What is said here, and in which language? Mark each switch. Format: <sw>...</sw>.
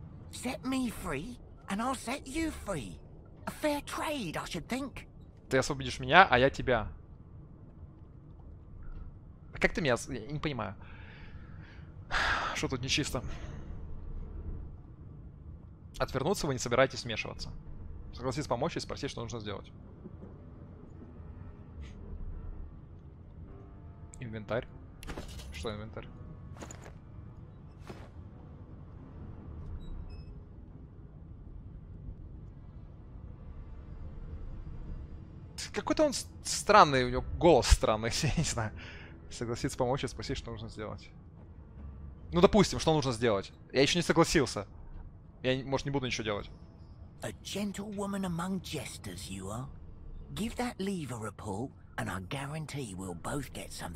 <en>Set me free, and I'll set you free. A fair trade, I should think.</en> <ru>Ты освободишь меня, а я тебя. Как ты меня... Я не понимаю. Что тут нечисто? Отвернуться вы не собираетесь вмешиваться. Согласись помочь и спросить, что нужно сделать. Инвентарь. Что инвентарь? Какой-то он странный, у него голос странный, я не знаю. Согласиться помочь и спросить, что нужно сделать. Ну, допустим, что нужно сделать? Я еще не согласился. Я, может, не буду ничего делать.</ru> <en>A gentlewoman among jesters you are. Give that lever a pull, and I guarantee we'll both get something.</en>